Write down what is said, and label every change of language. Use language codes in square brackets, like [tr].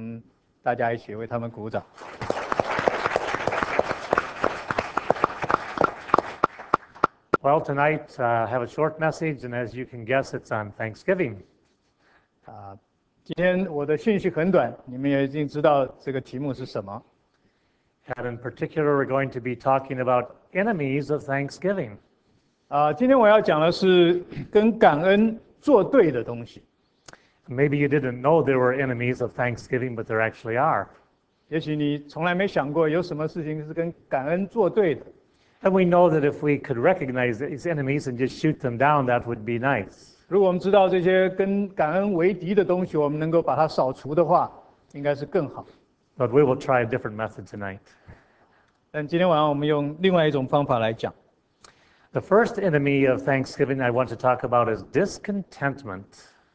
[zh] 所以我们为今天所有煮饭煮菜的弟兄姐妹，我们大家一起为他们鼓掌。 [en] Well, tonight I have a short message, and as you can guess, it's on Thanksgiving. [zh] 今天我的信息很短，你们也已经知道这个题目是什么。 [en] And in particular, we're going to be talking about enemies of Thanksgiving. [zh] 今天我要讲的是跟感恩作对的东西。 [en] Maybe you didn't know there were enemies of Thanksgiving, but there actually are. [zh] 也许你从来没想过有什么事情是跟感恩作对的。 [en] And we know that if we could recognize these enemies and just shoot them down, that would be nice. [zh] 如果我们知道这些跟感恩为敌的东西，我们能够把它扫除的话，应该是更好。 [en] But we will try a different method tonight. [zh] 但今天晚上我们用另外一种方法来讲。 [en] The first enemy of Thanksgiving I want to talk about is discontentment.